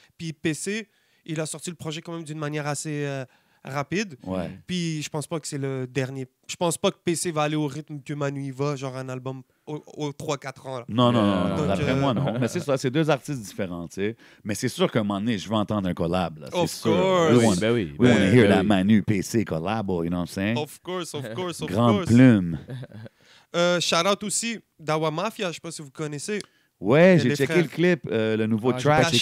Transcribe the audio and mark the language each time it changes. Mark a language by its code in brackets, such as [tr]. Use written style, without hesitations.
[fr] Puis PC, il a sorti le projet quand même d'une manière assez rapide. Ouais. Puis je pense pas que c'est le dernier. Je pense pas que PC va aller au rythme que Manu y va, genre un album aux 3-4 ans. Là. Non. D'après moi, non. Mais c'est ça, c'est deux artistes différents, tu sais. Mais c'est sûr qu'à un moment donné, je vais entendre un collab. Là. [en] Of [fr] c'est [en] course. [fr] Sûr. Oui, ben oui. [en] We [fr] ben, [en] want to hear that Manu PC collab, you know what I'm saying? Of course. [fr] Grande plume. Shout-out aussi, Dawa Mafia, je ne sais pas si vous connaissez. Ouais, j'ai checké le clip, le nouveau track.